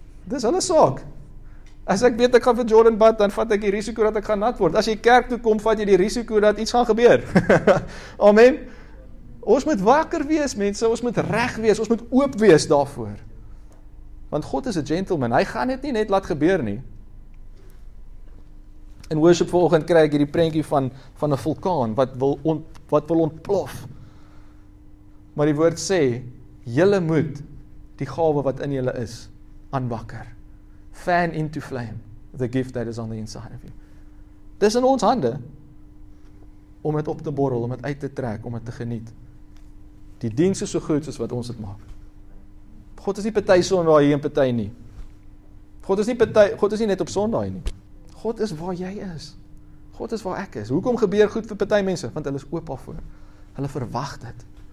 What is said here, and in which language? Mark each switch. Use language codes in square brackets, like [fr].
[af] dis hulle saak, as ek weet ek gaan vir Jordan bad, dan vat ek die risiko dat ek gaan nat word, as jy kerk toe kom, vat jy die risiko dat iets gaan gebeur, amen, ons moet wakker wees mense, ons moet reg wees, ons moet oop wees daarvoor, want [en] God is a gentleman, [af] hy gaan dit nie net laat gebeur nie, in worship vanoggend kry ek hierdie prentjie van 'n vulkaan, wat wil ontplof, maar die woord sê, jylle moet die gawe wat in jylle is, aanwakker, [en] fan into flame the gift that is on the inside of you. [af] Dis in ons hande om dit op te borrel, om dit uit te trek, om dit te geniet. Die diens is so goed soos wat ons dit maak. God is nie party so en waar hier en party nie. God is nie party, God is nie net op Sondae nie. God is waar jy is. God is waar ek is. Hoekom gebeur goed vir party mense? Want hulle is oop daarvoor. Hulle verwag dit.